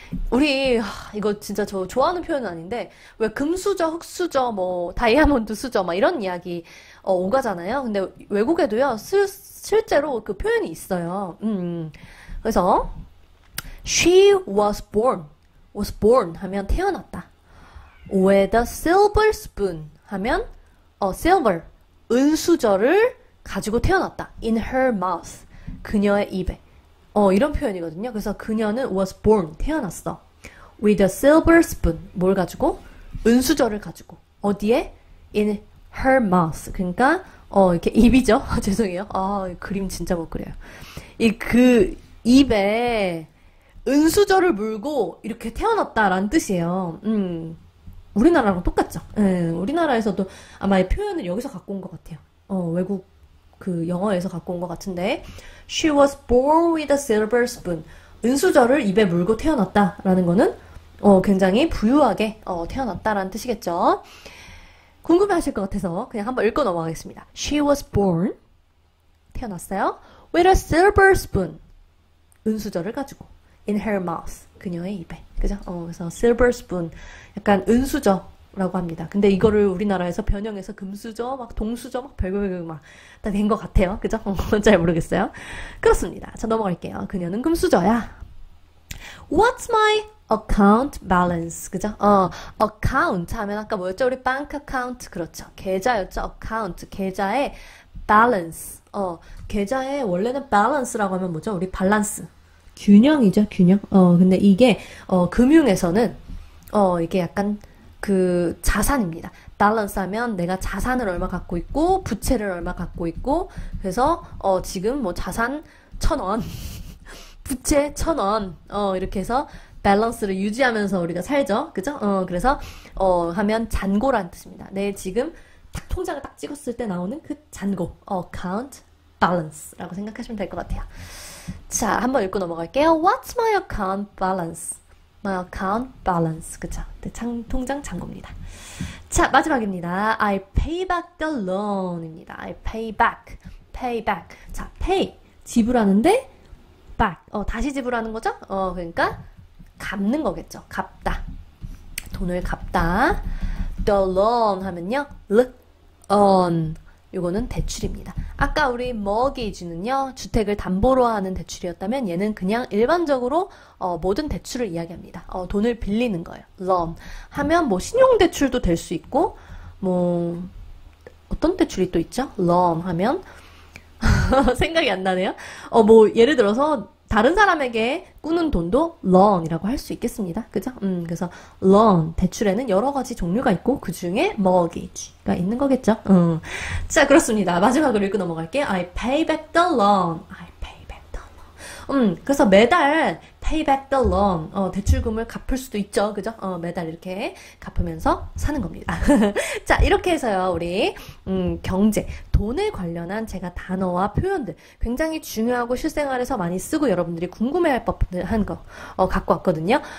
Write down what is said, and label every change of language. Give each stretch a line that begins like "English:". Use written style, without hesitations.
Korean: 우리, 이거 진짜 저 좋아하는 표현은 아닌데, 왜 금수저, 흙수저, 뭐, 다이아몬드 수저, 막 이런 이야기, 오가잖아요. 근데 외국에도요, 실제로 그 표현이 있어요. 그래서,
English: she was born
Korean: 하면 태어났다.
English: With a silver spoon
Korean: 하면
English: silver
Korean: 은수저를 가지고 태어났다.
English: In her mouth
Korean: 그녀의 입에 이런 표현이거든요. 그래서 그녀는
English: was born
Korean: 태어났어.
English: With a silver spoon
Korean: 뭘 가지고? 은수저를 가지고 어디에?
English: In her mouth
Korean: 그러니까 이렇게 입이죠. 죄송해요. 그림 진짜 못 그려요. 이그 입에 은수저를 물고 이렇게 태어났다라는 뜻이에요. 우리나라랑 똑같죠? 네, 우리나라에서도 아마 이 표현을 여기서 갖고 온것 같아요. 외국 그 영어에서 갖고 온것 같은데,
English: She was born with a silver spoon.
Korean: 은수저를 입에 물고 태어났다라는 거는 굉장히 부유하게 태어났다라는 뜻이겠죠? 궁금해하실 것 같아서 그냥 한번 읽고 넘어가겠습니다.
English: She was born
Korean: 태어났어요.
English: With a silver spoon.
Korean: 은수저를 가지고
English: in her mouth
Korean: 그녀의 입에. 그죠? 그래서
English: silver spoon
Korean: 약간 은수저라고 합니다. 근데 이거를 우리나라에서 변형해서 금수저 막 동수저 막 별별별 막다된것 같아요. 그죠? 잘 모르겠어요. 그렇습니다. 자, 넘어갈게요. 그녀는 금수저야.
English: What's my account balance?
Korean: 그죠? account 하면 아까 뭐였죠? 우리 bank account 그렇죠? 계좌였죠?
English: account
Korean: 계좌의
English: balance.
Korean: 계좌의 원래는 balance라고 하면 뭐죠? 우리 밸런스. 균형이죠, 균형. 근데 이게 금융에서는 이게 약간 그 자산입니다. 밸런스 하면 내가 자산을 얼마 갖고 있고 부채를 얼마 갖고 있고 그래서 지금 뭐 자산 1,000원, 부채 1,000원 이렇게 해서 밸런스를 유지하면서 우리가 살죠, 그죠? 그래서 하면 잔고란 뜻입니다. 내 지금 딱 통장을 딱 찍었을 때 나오는 그 잔고, account balance라고 생각하시면 될것 같아요. 자, 한번 읽고 넘어갈게요.
English: What's my account balance? My account balance.
Korean: 그쵸? 내 통장 잔고입니다. 자, 마지막입니다.
English: I pay back the loan입니다. I pay back. Pay back.
Korean: 자,
English: pay.
Korean: 지불하는데,
English: back.
Korean: 다시 지불하는 거죠? 그러니까, 갚는 거겠죠? 갚다. 돈을 갚다.
English: The loan
Korean: 하면요.
English: Look on.
Korean: 요거는 대출입니다. 아까 우리 mortgage는요, 주택을 담보로 하는 대출이었다면 얘는 그냥 일반적으로 모든 대출을 이야기합니다. 돈을 빌리는 거예요. loan 하면 뭐 신용대출도 될수 있고 뭐 어떤 대출이 또 있죠? loan 하면 생각이 안 나네요. 뭐 예를 들어서 다른 사람에게 꾸는 돈도 loan이라고 할수 있겠습니다. 그죠? 그래서 loan, 대출에는 여러 가지 종류가 있고, 그 중에 mortgage가 있는 거겠죠? 자, 그렇습니다. 마지막으로 읽고 넘어갈게요.
English: I pay back the loan. I pay back the loan.
Korean: 그래서 매달
English: pay back the loan.
Korean: 대출금을 갚을 수도 있죠. 그죠? 매달 이렇게 갚으면서 사는 겁니다. 자, 이렇게 해서요. 우리, 경제. 돈에 관련한 제가 단어와 표현들 굉장히 중요하고 실생활에서 많이 쓰고 여러분들이 궁금해할 법한 거 갖고 왔거든요.